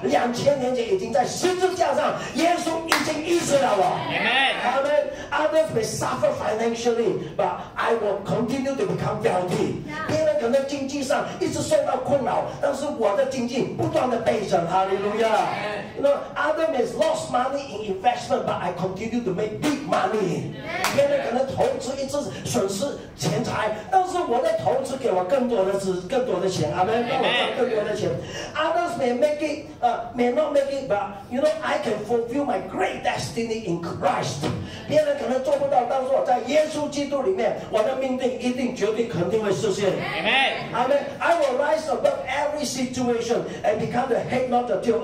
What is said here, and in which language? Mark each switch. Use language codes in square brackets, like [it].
[zh] 2000年前已经在十字架上，耶稣已经医治了我。 [en] Amen. Others may suffer financially, but I will continue to become wealthy. [zh] 可能经济上一直受到困扰，但是我的经济不断的倍增。哈利路亚。 [en] You know, others may lose money in investment, but I continue to make big money. [zh] 别人可能投资一直损失钱财，但是我的投资给我更多的钱。阿门。让我赚更多的钱。 [en] Others may make it, may not make it, but you know, I can fulfill my great destiny in Christ. [zh] 别人可能做不到，但是我在耶稣基督里面，我的命定一定绝对肯定会实现。 [en] Amen. Amen. I will rise above every situation and become the head, not the tail.